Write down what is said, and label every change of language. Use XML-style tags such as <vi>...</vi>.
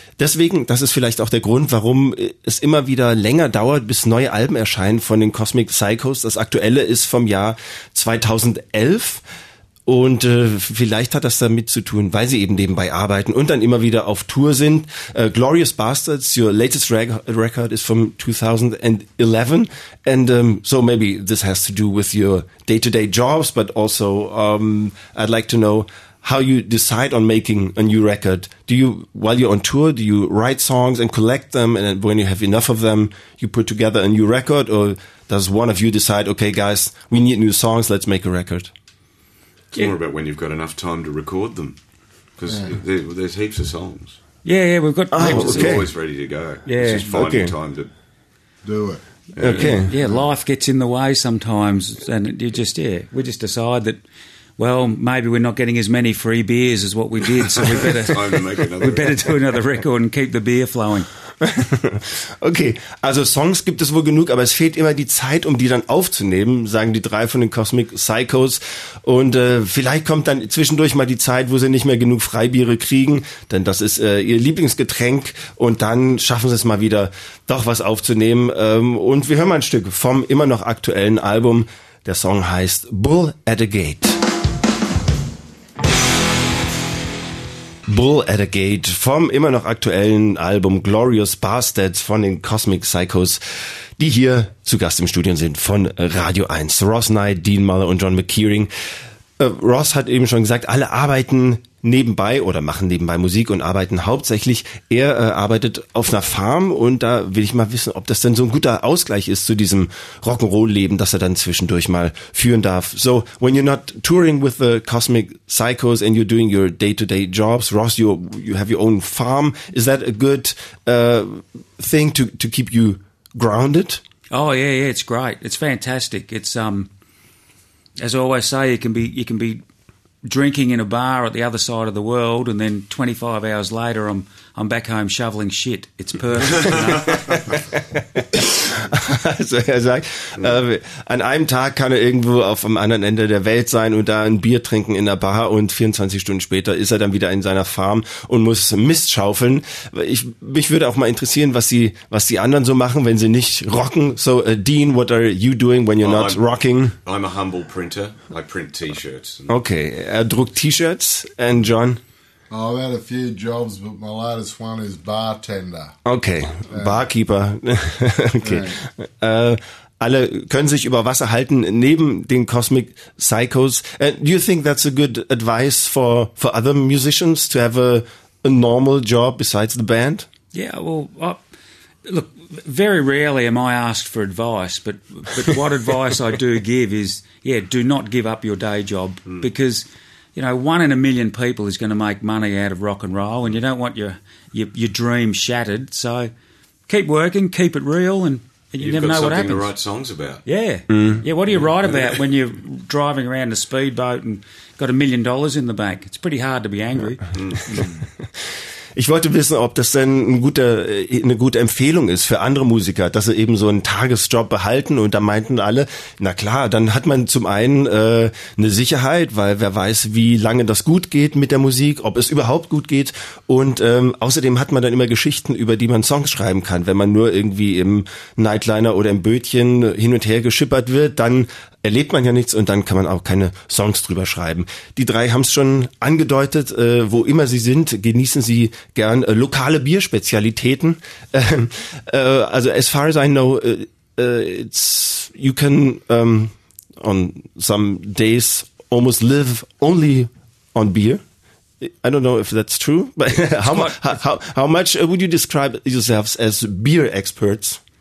<de>Deswegen, das ist vielleicht auch der Grund, warum es immer wieder länger dauert, bis neue Alben erscheinen von den Cosmic Psychos. Das aktuelle ist vom Jahr 2011. Und vielleicht hat das damit zu tun, weil sie eben nebenbei arbeiten und dann immer wieder auf Tour sind.</de> <en>Glorious Bastards, your latest record is from 2011. And so maybe this has to do with your day-to-day jobs, but also I'd like to know how you decide on making a new record. Do you, while you're on tour, do you write songs and collect them? And then when you have enough of them, you put together a new record? Or does one of you decide, okay, guys, we need new songs, let's make a record? It's more about when you've got enough time to record them, because there's heaps of songs. Yeah, we've got heaps of songs. Always ready to go. Yeah. It's just finding time to do it. Okay. Yeah, life gets in the way sometimes, and you just, yeah, we just decide that, well, maybe we're not getting as many free beers as what we did, so we better do another record and keep the beer flowing.</en> <de>Okay, also Songs gibt es wohl genug, aber es fehlt immer die Zeit, um die dann aufzunehmen, sagen die drei von den Cosmic Psychos. Und vielleicht kommt dann zwischendurch mal die Zeit, wo sie nicht mehr genug Freibiere kriegen, denn das ist ihr Lieblingsgetränk. Und dann schaffen sie es mal wieder, doch was aufzunehmen. Und wir hören mal ein Stück vom immer noch aktuellen Album. Der Song heißt Bull at a Gate. Bull at a Gate vom immer noch aktuellen Album Glorious Bastards von den Cosmic Psychos, die hier zu Gast im Studio sind von Radio 1. Ross Knight, Dean Muller und John McKeering. Ross hat eben schon gesagt, alle arbeiten nebenbei oder machen nebenbei Musik und arbeiten hauptsächlich. Er arbeitet auf einer Farm und da will ich mal wissen, ob das denn so ein guter Ausgleich ist zu diesem Rock'n'Roll-Leben, das er dann zwischendurch mal führen darf.</de> <en>So, when you're not touring with the Cosmic Psychos and you're doing your day-to-day jobs, Ross, you have your own farm. Is that a good thing to keep you grounded? Oh, yeah, it's great. It's fantastic. It's, as I always say, you can be drinking in a bar at the other side of the world, and then 25 hours later, I'm back home shoveling shit. It's perfect.</en> <de>Also er sagt, an einem Tag kann er irgendwo auf dem anderen Ende der Welt sein und da ein Bier trinken in der Bar und 24 Stunden später ist er dann wieder in seiner Farm und muss Mist schaufeln. Mich würde auch mal interessieren, was die anderen so machen, wenn sie nicht rocken.</de> <en>So, Dean, what are you doing when you're not rocking? I'm a humble printer. I print T-shirts.</en> <de>Okay, er druckt T-Shirts.</de> <en>And John? Oh, I've had a few jobs, but my latest one is bartender.</en> <de>Okay, Barkeeper. Okay. Yeah. Alle können sich über Wasser halten neben den Cosmic Psychos.</de> <en>Do you think that's a good advice for other musicians to have a normal job besides the band? Yeah, well, look, very rarely am I asked for advice, but what advice I do give is, yeah, do not give up your day job because... You know, one in a million people is going to make money out of rock and roll, and you don't want your dream shattered. So keep working, keep it real, and you never know what happens. You've got something to write songs about. Yeah. Mm. Yeah, what do you write about when you're driving around a speedboat and got $1 million in the bank? It's pretty hard to be angry.</en> <de>Ich wollte wissen, ob das denn eine gute Empfehlung ist für andere Musiker, dass sie eben so einen Tagesjob behalten. Und da meinten alle, na klar, dann hat man zum einen eine Sicherheit, weil wer weiß, wie lange das gut geht mit der Musik, ob es überhaupt gut geht. Und außerdem hat man dann immer Geschichten, über die man Songs schreiben kann. Wenn man nur irgendwie im Nightliner oder im Bötchen hin und her geschippert wird, dann erlebt man ja nichts und dann kann man auch keine Songs drüber schreiben. Die drei haben es schon angedeutet, wo immer sie sind, genießen sie gern lokale Bierspezialitäten.</de> <en>Also as far as I know, it's you can on some days almost live only on beer. I don't know if that's true, but how much would you describe yourselves as beer experts?</en>